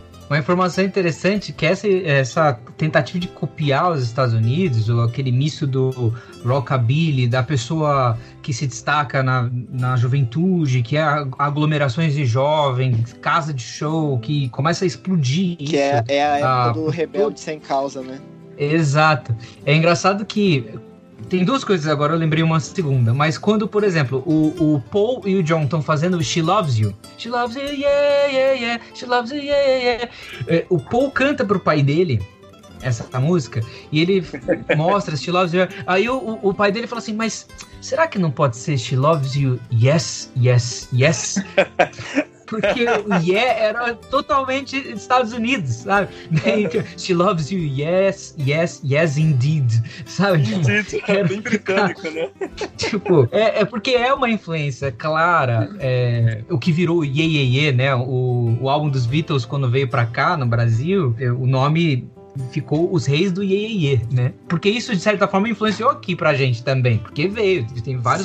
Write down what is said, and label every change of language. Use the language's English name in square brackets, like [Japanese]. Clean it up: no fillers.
[Portuguese] Uma informação interessante que essa tentativa de copiar os Estados Unidos, ou aquele misto do rockabilly, da pessoa que se destaca na juventude, que é aglomerações de jovens, casa de show, que começa a explodir que isso. Época do rebelde sem causa, né? Exato. É engraçado que... Tem duas coisas agora, eu lembrei uma segunda. Mas quando, por exemplo, o Paul e o John estão fazendo She Loves You. [English] She loves you, yeah, yeah, yeah. She loves you, yeah, yeah, yeah. [Portuguese] O Paul canta pro pai dele essa música e ele mostra She Loves You. Aí o pai dele fala assim, mas será que não pode ser [English] She Loves You, yes, yes, yes? [Portuguese] Porque o yeah era totalmente Estados Unidos, sabe? [English] She loves you, yes, yes, yes, indeed, sabe? [Portuguese] Indeed, era bem britânico, né? Tipo, é porque é uma influência clara, o que virou o yeah, yeah, yeah, né? O álbum dos Beatles, quando veio pra cá, no Brasil, o nome ficou Os Reis do Yeah, Yeah, Yeah, né? Porque isso, de certa forma, influenciou aqui pra gente também, porque veio, tem vários